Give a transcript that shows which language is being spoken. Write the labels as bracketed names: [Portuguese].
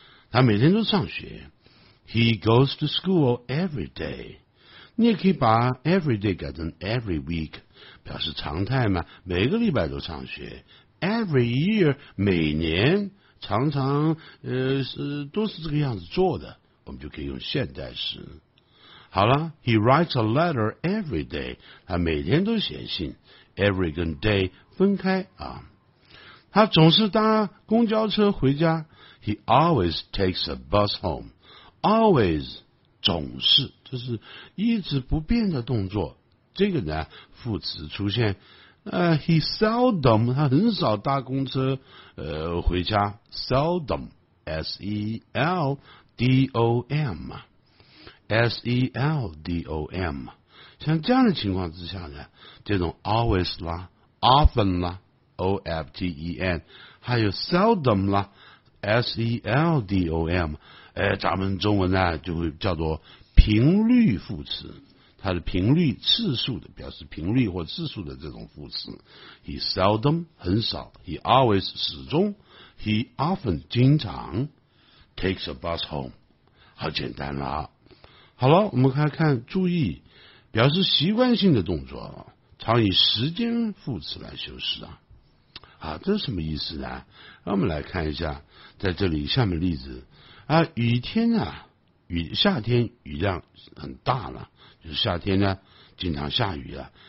[Chinese] 他每天都上学， [English] he goes to school every day， [Chinese] 你也可以把 every day 改成 every week， 表示常态嘛，每个礼拜都上学， every year 每年常常都是这个样子做的，我们就可以用现代时。好了， [English] he writes a letter every day， [Chinese] 他每天都写信， every 跟 day 分开啊。他总是搭公交车回家， [English] he always takes a bus home， [Chinese] always 总是，就是一直不变的动作，这个呢副词出现。 [English] He seldom， [Chinese] 他很少搭公车回家， seldom， S-E-L-D-O-M S-E-L-D-O-M， 像这样的情况之下呢，这种 always 啦， often 啦， O-F-T-E-N， 还有 seldom 啦， S-E-L-D-O-M，咱们中文呢就会叫做频率副词，它的频率次数的，表示频率或次数的这种副词。 [English] He seldom [Chinese] 很少， [English] He always [Chinese] 始终， [English] He often [Chinese] 经常， [English] takes a bus home， [Chinese] 好简单啦。好了，我们看看注意，表示习惯性的动作常以时间副词来修饰啊。啊，这是什么意思呢？让我们来看一下，在这里下面例子啊，雨天啊，雨夏天雨量很大了，就是夏天呢经常下雨啊。